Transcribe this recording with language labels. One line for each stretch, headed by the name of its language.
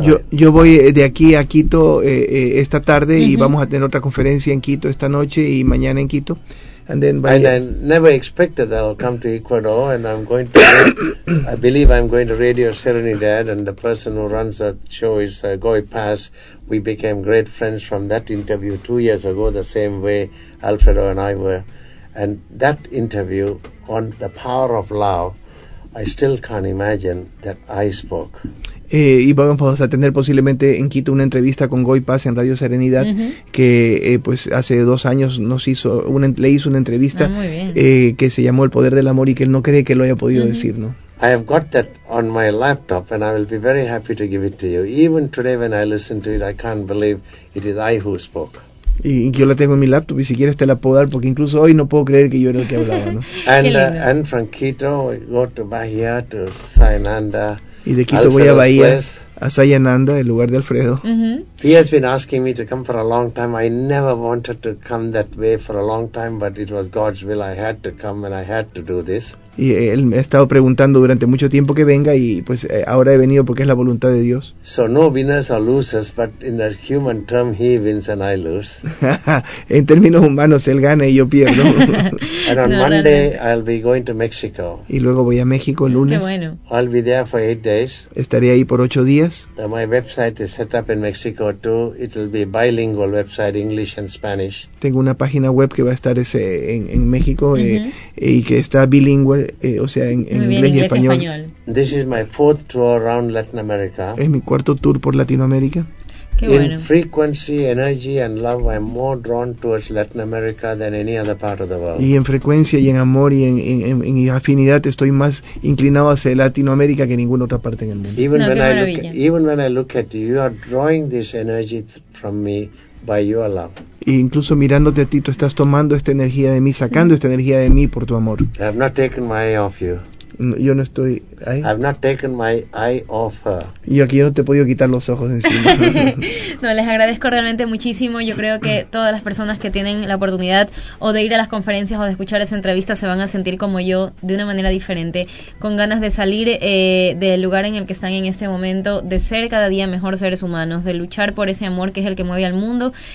Spanish: Yo voy de aquí a Quito esta tarde, uh-huh. y vamos a tener otra conferencia en Quito esta noche y mañana en Quito.
English: And then by and I never expected that I'll come to Ecuador, and I'm going to I believe I'm going to Radio Serenidad, and the person who runs that show is Goy Paz. We became great friends from that interview 2 years ago, the same way Alfredo and I were. And that interview on the power of love, I still can't imagine that I spoke.
Spanish: Y vamos a tener posiblemente en Quito una entrevista con Goy Paz en Radio Serenidad, que pues hace 2 años nos hizo le hizo una entrevista que se llamó El Poder del Amor, y que él no cree que lo haya podido decir, ¿no?
English: I have got that on my laptop and I will be very happy to give it to you. Even today when I listen to it, I can't believe it is I who spoke.
Spanish: Y yo la tengo en mi laptop, y si quieres te la puedo dar, porque incluso hoy no puedo creer que yo era el que hablaba, ¿no?
English: And from Quito we go to Bahía, to Sainanda.
Spanish: Y de Quito Alfredo voy a Bahía, a Sayananda, el lugar de Alfredo.
English: He has been asking me to come for a long time. I never wanted to come that way for a long time, but it was God's will. I had to come and I had to do this.
Spanish: Y él me ha estado preguntando durante mucho tiempo que venga, y pues ahora he venido porque es la voluntad de Dios.
English: So no winners or losers, but in the human term, he wins and I lose.
Spanish: En términos humanos, él gana y yo pierdo.
English: And on Monday, I'll be going to Mexico.
Spanish: Y luego voy a México el lunes. Qué bueno.
English: I'll be there for 8 days.
Spanish: Estaré ahí por 8 días.
English: My website is set up in Mexico too. It'll be bilingual website, English and Spanish.
Spanish: Tengo una página web que va a estar en México, y que está bilingüe. O sea, en inglés y español.
English: This is my fourth tour around Latin America.
Spanish: Es mi cuarto tour por Latinoamérica. Qué bueno.
English: In frequency, energy and love, I'm more drawn towards Latin America than any other part of the world.
Spanish: Y en frecuencia y en amor y en afinidad estoy más inclinado hacia Latinoamérica que ninguna otra parte en el mundo.
English: Even when I look at you, you are drawing this energy from me by your love.
Spanish: E incluso mirándote a ti, tú estás tomando esta energía de mí, sacando esta energía de mí por tu amor.
English: I have not taken my eye off you.
Spanish: Yo no estoy ahí.
English: I have not taken my eye off her.
Spanish: Y aquí yo no te he podido quitar los ojos encima. No, les agradezco realmente muchísimo. Yo creo que todas las personas que tienen la oportunidad o de ir a las conferencias o de escuchar esa entrevista se van a sentir como yo, de una manera diferente, con ganas de salir del lugar en el que están en este momento, de ser cada día mejor seres humanos, de luchar por ese amor que es el que mueve al mundo.